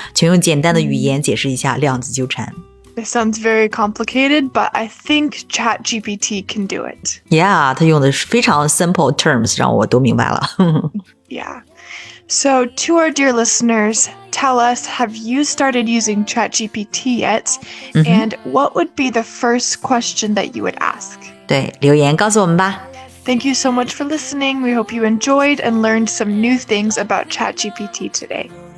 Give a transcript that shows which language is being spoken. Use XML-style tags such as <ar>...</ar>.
<zh>请用简单的语言解释一下量子纠缠。</zh> <en>It sounds very complicated, but I think ChatGPT can do it.</en> <zh>Yeah, 它用的是非常</zh> <en>simple terms,</en> <zh>让我都明白了。</zh> <en>Yeah. So to our dear listeners... Tell us, have you started using ChatGPT yet? And what would be the first question that you would ask?</en> <zh>对，留言告诉我们吧。</zh> <en>Thank you so much for listening. We hope you enjoyed and learned some new things about ChatGPT today.</en>